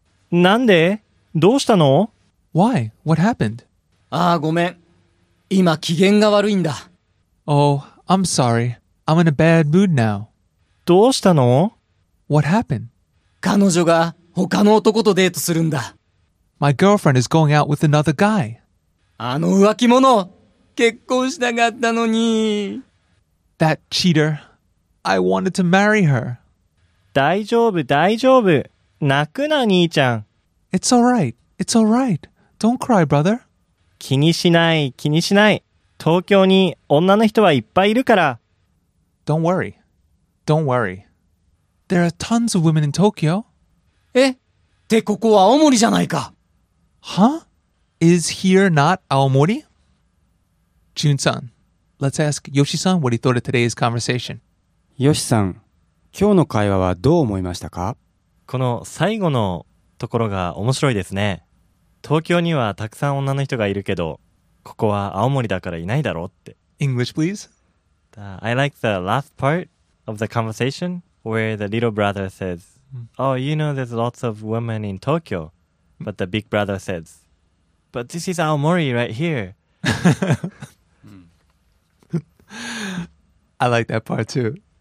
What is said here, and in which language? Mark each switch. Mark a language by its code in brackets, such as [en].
[ja] なんで？どうしたの？ [en] Why? What happened? [ja] ああ、ごめん。今機嫌が悪いんだ。 [en] Oh, I'm sorry. I'm in a bad mood now. [ja] どうしたの？ [en] What happened? [ja] 彼女が他の男とデートするんだ。 [en] My girlfriend is going out with another guy. [ja] あの浮気者、結婚したかったのに。 [en] That cheater. I wanted to marry her. [ja] 大丈夫大丈夫、泣くな兄ちゃん。 [en] It's alright, it's alright. Don't cry, brother. [ja] 気にしない気にしない、東京に女の人はいっぱいいるから。 [en] Don't worry, don't worry. There are tons of women in Tokyo. [ja] え、ってここは青森じゃないか。 [en] Huh? Is here not Aomori? Jun-san, let's ask Yoshi-san what he thought of today's conversation. [ja] Yoshi-san,今日の会話はどう思いましたか？この最後のところが面白いですね。東京にはたくさん女の人がいるけど、ここは青森だからいないだろうって。 [en] English, please. I like the last part of the conversation where the little brother says, Oh, you know there's lots of women in Tokyo. But the big brother says, But this is Aomori right here. I like that part too.